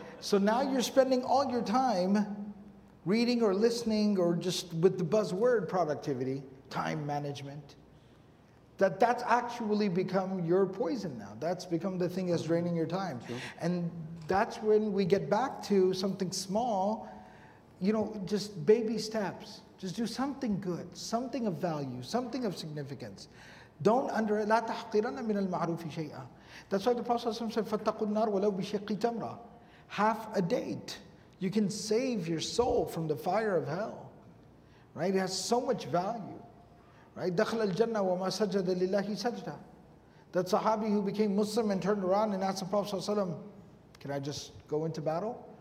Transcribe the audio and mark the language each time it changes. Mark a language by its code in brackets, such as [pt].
[en] So now you're spending all your time reading or listening or just with the buzzword productivity, time management, that's actually become your poison now. That's become the thing that's draining your time. True. And that's when we get back to something small, you know, just baby steps. Just do something good, something of value, something of significance. [ar] لا تحقرن من المعروف شيئا. [en] That's why the Prophet said, [ar] فَاتَّقُوا النَّارُ وَلَوْ بِشِقِّ تَمْرَةٍ. [en] Half a date. You can save your soul from the fire of hell. Right? It has so much value. Right? [ar] دَخْلَ الْجَنَّةَ وَمَا سَجَّدَ لِلَّهِ سَجْدًا. [en] That Sahabi who became Muslim and turned around and asked the Prophet, can I just go into battle?